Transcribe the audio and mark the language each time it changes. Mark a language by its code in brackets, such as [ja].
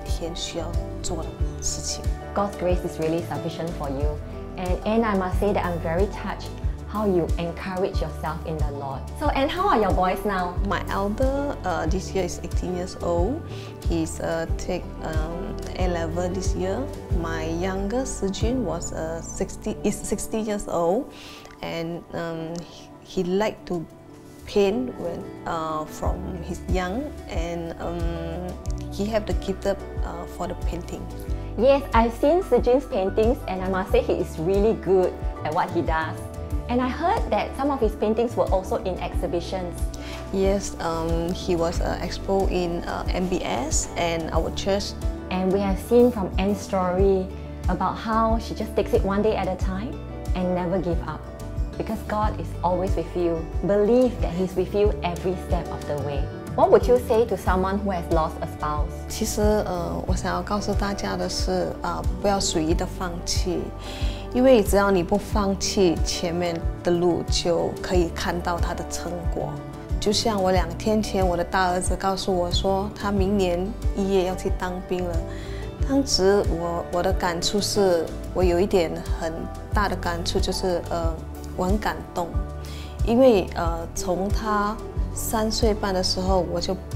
[zh] 毕竟我不想让孩子们看到我在哭而影响到他们。很好的是隔一天我就会面对着镜子告诉自己说你是可以的，因着他的恩典他是够你用的，然后我就会收拾我的心情，然后再继续去面对每一天需要做的事情。 [en] God's grace is really sufficient for you. And I must say that I'm very touched how you encourage yourself in the Lord. So, and how are your boys now? My elder this year is 18 years old. He's take A-level this year. My younger Sijun was 16 years old, and he liked to paint when from his young, and he have the gift for the painting. Yes, I've seen Sijun's paintings, and I must say he is really good at what he does. And I heard that some of his paintings were also in exhibitions. Yes, he was expo in MBS and our church. And we have seen from Anne's story about how she just takes it one day at a time and never give up. Because God is always with you. Believe that He's with you every step of the way. What would you say to someone who has lost a spouse? [zh] 其实我想要告诉大家的是，不要随意的放弃。因为只要你不放弃，前面的路就可以看到它的成果。就像我2天前，我的大儿子告诉我说，他明年1月要去当兵了。当时我的感触是，我有一点很大的感触，就是我很感动，因为从他3岁半的时候，我就